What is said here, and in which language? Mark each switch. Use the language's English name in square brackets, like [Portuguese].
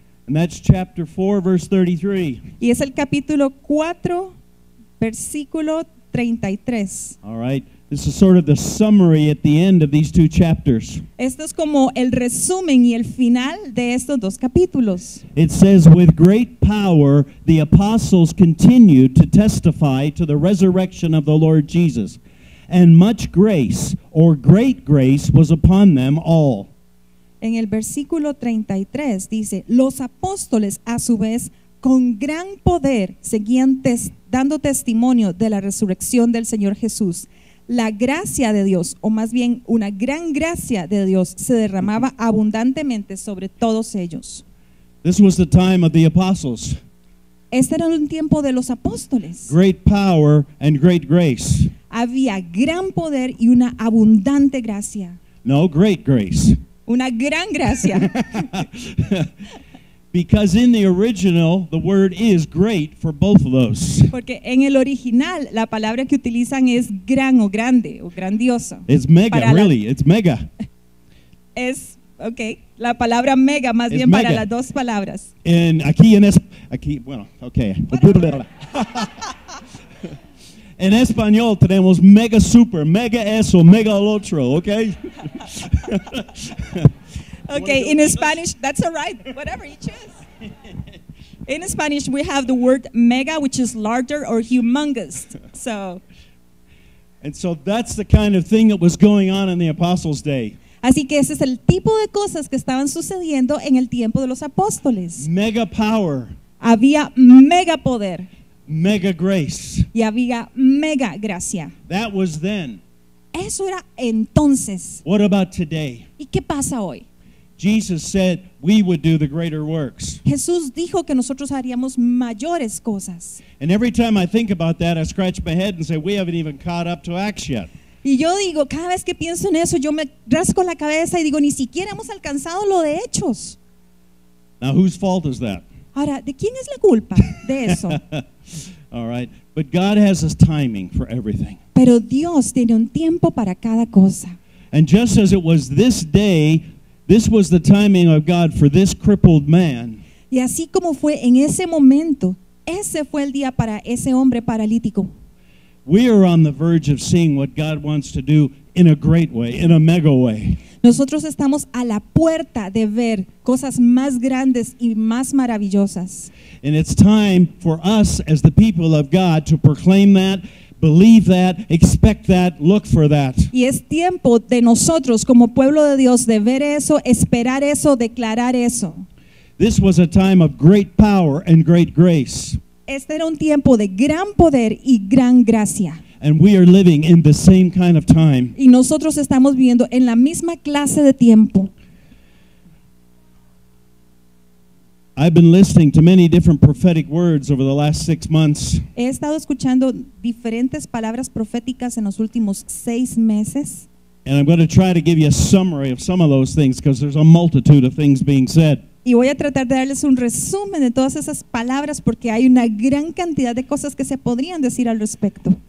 [English] And that's chapter 4, verse 33. [Spanish] Y es el capítulo 4, versículo 33. [English] All right. This is sort of the summary at the end of these two chapters. [Spanish] Esto es como el resumen y el final de estos dos capítulos. [English] It says, with great power, the apostles continued to testify to the resurrection of the Lord Jesus. And much grace, or great grace, was upon them all. [Spanish] En el versículo 33 dice, los apóstoles a su vez con gran poder seguían dando testimonio de la resurrección del Señor Jesús. La gracia de Dios, o más bien una gran gracia de Dios, se derramaba abundantemente sobre todos ellos. [English] This was the time of the apostles. [Spanish] Este era un tiempo de los apóstoles. [English] Great power and great grace. [Spanish] Había gran poder y una abundante gracia. [English] No, great grace. [Spanish] Una gran gracia. [English] Because in the original, the word is great for both of those. [Spanish] Porque en el original, la palabra que utilizan es gran o grande o grandioso. [English] It's mega, really. It's mega. [Spanish] Es, okay, la palabra mega, más bien mega. Para las dos palabras. And aquí en español. aquí, bueno, okay. Bueno. En español tenemos mega super, mega eso, mega el otro, okay? [English] Okay, in Spanish, that's all right, whatever you choose. In Spanish, we have the word mega, which is larger or humongous. So. And so that's the kind of thing that was going on in the apostles' day. [Spanish] Así que ese es el tipo de cosas que estaban sucediendo en el tiempo de los apóstoles. [English] Mega power. [Spanish] Había mega poder. [English] Mega grace. [Spanish] Y había mega gracia. [English] That was then. [Spanish] Eso era entonces. [English] What about today? [Spanish] ¿Y qué pasa hoy? [English] Jesus said we would do the greater works. [Spanish] Jesús dijo que nosotros haríamos mayores cosas. [English] And every time I think about that, I scratch my head and say, we haven't even caught up to Acts yet. [Spanish] Y yo digo, cada vez que pienso en eso, yo me rasco la cabeza y digo, ni siquiera hemos alcanzado lo de Hechos. [English] Now, whose fault is that? [Spanish] Ahora, ¿de quién es la culpa de eso? [English] All right. But God has his timing for everything. [Spanish] Pero Dios tiene un tiempo para cada cosa. [English] And just as it was this day, this was the timing of God for this crippled man. [Spanish] Y así como fue en ese momento, ese fue el día para ese hombre paralítico. [English] We are on the verge of seeing what God wants to do in a great way, in a mega way. [Spanish] Nosotros estamos a la puerta de ver cosas más grandes y más maravillosas. [English] And it's time for us as the people of God to proclaim that, believe that, expect that, look for that. [Spanish] Y es tiempo de nosotros como pueblo de Dios de ver eso, esperar eso, declarar eso. [English] This was a time of great power and great grace. [Spanish] Este era un tiempo de gran poder y gran gracia. [English] And we are living in the same kind of time. [Spanish] Y nosotros estamos viviendo en la misma clase de tiempo. [English] I've been listening to many different prophetic words over the last 6 months. [Spanish] He estado escuchando diferentes palabras proféticas en los últimos 6 meses. [English] And I'm going to try to give you a summary of some of those things because there's a multitude of things being said. [Spanish] Y voy a tratar de darles un resumen de todas esas palabras porque hay una gran cantidad de cosas que se podrían decir al respecto.